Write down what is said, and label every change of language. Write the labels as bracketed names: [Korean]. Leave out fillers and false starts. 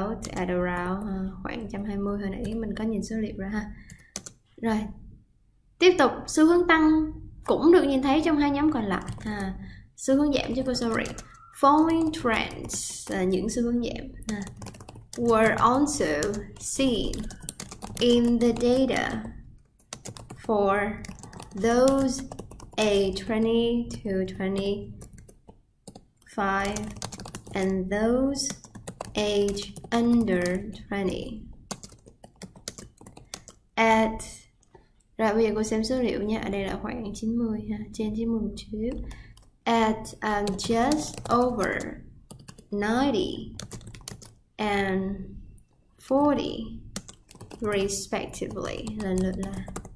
[English] At around [Vietnamese] khoảng 120, hồi nãy mình có nhìn số liệu rồi ha. Rồi, tiếp tục, xu hướng tăng cũng được nhìn thấy trong hai nhóm còn lại. À, xu hướng giảm cho cô, sorry. [English] Falling trends, [Vietnamese] những xu hướng giảm, [English] were also seen in the data for those age 20 to 25 and those age under 20. [Vietnamese] Rồi bây giờ cô xem số liệu nha. Ở đây là khoảng 90 ha, trên 90 một chút. [English] At just over 90 and 40 respectively. [Vietnamese] Lần lượt là.